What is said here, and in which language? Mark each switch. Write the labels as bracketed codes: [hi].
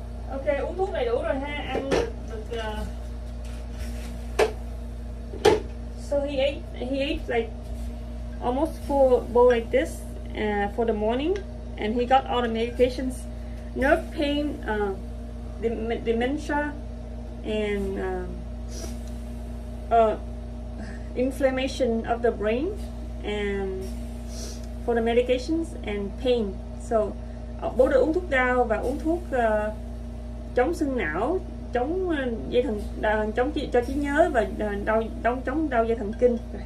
[vi] Ok, uống thuốc đầy đủ rồi ha, ăn được. [en] So he ate like almost full bowl like this for the morning, and he got all the medications, nerve pain, dementia, and inflammation of the brain, and for the medications and pain. [vi] So bố đã uống thuốc đau và uống thuốc chống sưng não, chống dây thần, chống cho trí nhớ và đau chống chống đau dây thần kinh.